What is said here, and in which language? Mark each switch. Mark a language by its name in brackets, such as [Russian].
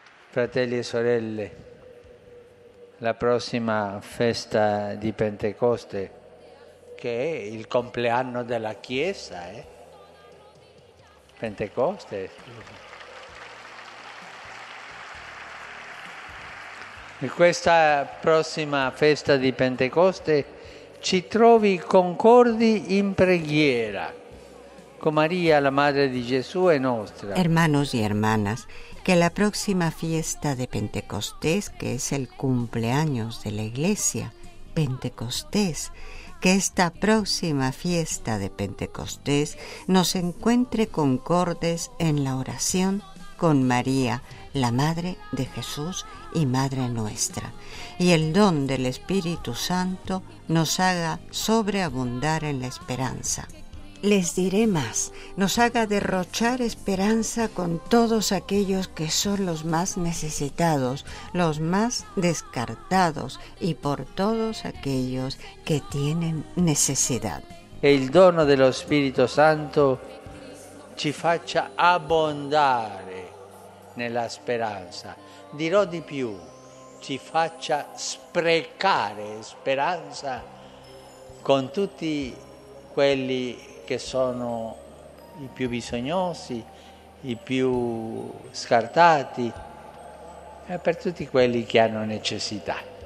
[Italian] Fratelli e sorelle, la próxima festa di Pentecoste, che è il compleanno della Chiesa, Pentecoste. In questa prossima festa di Pentecoste ci trovi concordi in preghiera con Maria, la madre di Gesù e nostra. [Spanish] Hermanos y hermanas, que la próxima fiesta de Pentecostés, que es el cumpleaños de la Iglesia, Pentecostés, que esta próxima fiesta de Pentecostés nos encuentre concordes en la oración con María, la Madre de Jesús y Madre nuestra, y el don del Espíritu Santo nos haga sobreabundar en la esperanza. Les diré más, nos haga derrochar esperanza con todos aquellos que son los más necesitados, los más descartados y por todos aquellos que tienen necesidad. El don del Espíritu Santo [Italian] ci faccia abbondare nella speranza. Dirò di più, ci faccia sprecare speranza con tutti quelli che sono i più bisognosi, i più scartati e per tutti quelli che hanno necessità.